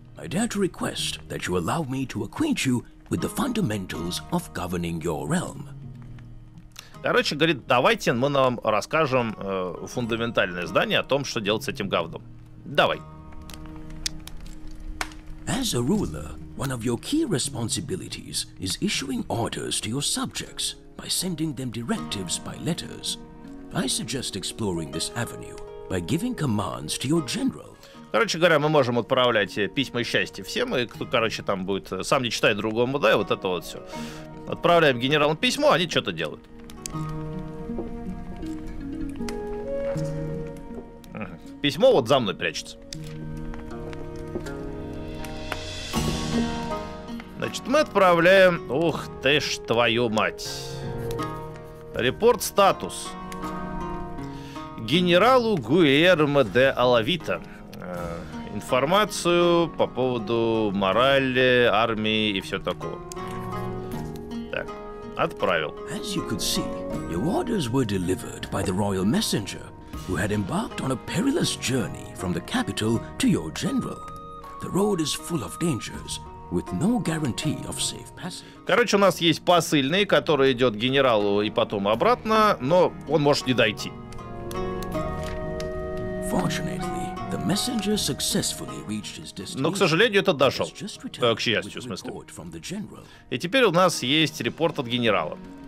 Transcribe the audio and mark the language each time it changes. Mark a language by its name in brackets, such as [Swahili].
[English] I dare to request that you allow me to acquaint you with the fundamentals of governing your realm. [Russian] Короче, говорит, давайте мы вам расскажем фундаментальное здание о том, что делать с этим говном. Давай. [English] As a ruler, one of your key responsibilities is issuing orders to your subjects by sending them directives by letters. I suggest exploring this avenue by giving commands to your general. [Russian] Короче говоря, мы можем отправлять письма счастья всем, и кто, короче, там будет сам не читай другому, да, и вот это вот все. Отправляем генералам письмо, они что-то делают. Письмо вот за мной прячется. Значит, мы отправляем... Ух ты ж твою мать. Репорт статус. Генералу Гуэрме де Алавита. Информацию по поводу морали, армии и все такого. Так, отправил. [English] As you could see, your orders were delivered by the royal messenger, who had embarked on a perilous journey from the capital to your general. The road is full of dangers, with no guarantee of safe passage. [Russian] Короче, у нас есть посыльный, который идет к генералу и потом обратно, но он может не дойти. Fortunately, the messenger successfully reached his destination. Но, к сожалению, это дошел. К счастью, в смысле. И теперь у нас есть репорт от генерала.